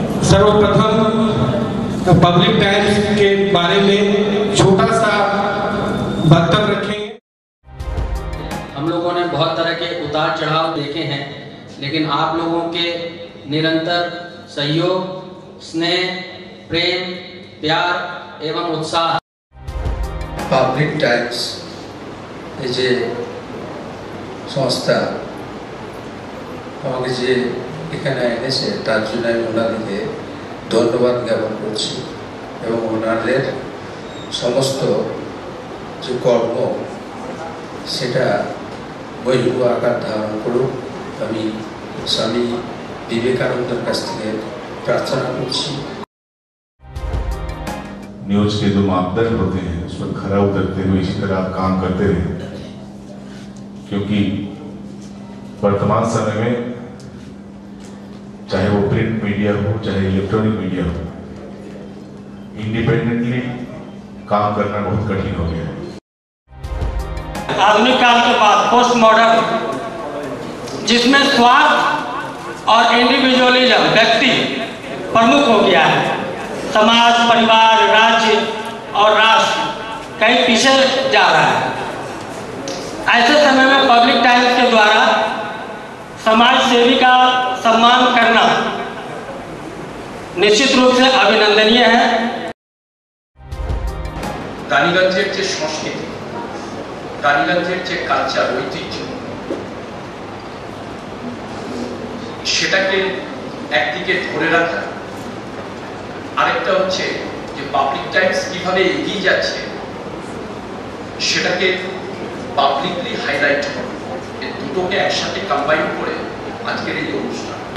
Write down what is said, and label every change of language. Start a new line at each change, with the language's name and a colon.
Hindi: सर्वप्रथम public times के बारे में छोटा सा वक्तव्य रखें। हम लोगों ने बहुत तरह के उतार चढ़ाव देखे हैं, लेकिन आप लोगों के निरंतर सहयोग, स्नेह, प्रेम, प्यार एवं उत्साह।
Bangla: पब्लिक टाइम्स जे संस्था जे এখানে এসে তার জন্য আমি ওনাদেরকে ধন্যবাদ জ্ঞাপন করছি এবং ওনাদের সমস্ত যে কর্ম সেটা বৈভব আকার ধারণ করুক। আমি স্বামী বিবেকানন্দের কাছ থেকে প্রার্থনা করছি।
Hindi: নিউজ কে যে মাপদণ্ড হতে হ্যাঁ খরা উতরতে হুয়ে ইসি তরহ আপ কাম করতে রহে ক্যোঁকি বর্তমান সময় মে चाहे वो प्रिंट मीडिया हो चाहे इलेक्ट्रॉनिक मीडिया हो, इंडिपेंडेंटली काम करना बहुत कठिन हो गया है। आधुनिक काल के बाद पोस्ट मॉडर्न, जिसमें स्वार्थ और इंडिविजुअलिज्म व्यक्ति प्रमुख हो गया है, समाज, परिवार, राज्य और राष्ट्र कहीं पीछे जा रहा है। ऐसे समय में पब्लिक टाइम्स के द्वारा समाज सेवी का सम्मान करना निश्चित रूप से अभिनंदनीय है।
Bangla: कालीगंजर जो संस्कृति कालीगंजर जो कल्चर ऐतिह्य সেটাকে একদিকে ধরে রাখা, আরেকটা হচ্ছে যে পাবলিক টাইমস কিভাবে এগিয়ে যাচ্ছে সেটাকে পাবলিকলি হাইলাইট করা, এই দুটোকে একসাথে কম্বাইন করে আজকের এই অনুষ্ঠান।